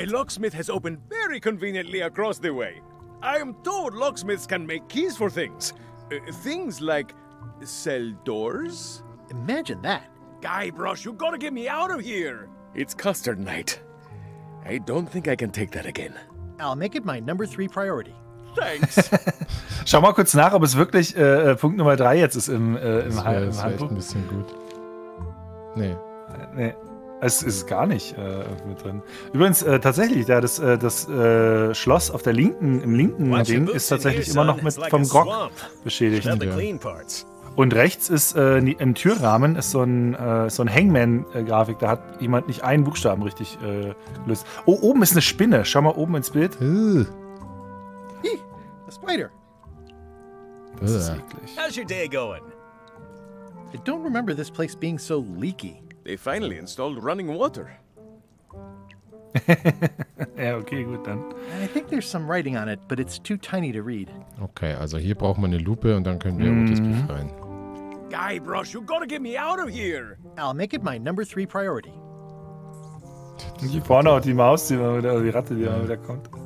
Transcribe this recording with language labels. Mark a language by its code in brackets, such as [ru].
[en] A locksmith has opened very conveniently across the way. I am told locksmiths can make keys for things. Things like cell doors? Imagine that. Guybrush, you gotta get me out of here. It's custard night. I don't think I can take that again. I'll make it my number 3 priority. Thanks. [de] Schau mal kurz nach, ob es wirklich Punkt Nummer 3 jetzt ist im Handbuch. Das ist echt ein bisschen gut. Nee. Nee. Es ist gar nicht mit drin. Übrigens, tatsächlich, ja, das Schloss auf der linken, im linken Watch Ding ist tatsächlich immer noch mit vom Grog beschädigt. Ja. Und rechts ist im Türrahmen ist so ein Hangman-Grafik. Da hat jemand nicht einen Buchstaben richtig gelöst. Oh, oben ist eine Spinne. Schau mal oben ins Bild. [en] A spider. [de] Das ist eklig. [en] How's your day going? I don't remember this place being so leaky. They finally installed running water. [de] Ja, okay, gut dann. [en] I think there's some writing on it, but it's too tiny to read. [de] Okay, also hier brauchen wir eine Lupe und dann können wir Otis befreien. [en] Guybrush, you gotta get me out of here! I'll make it my number 3 priority. [de] Hier vorne auch die Maus, die Ratte, die immer wieder kommt.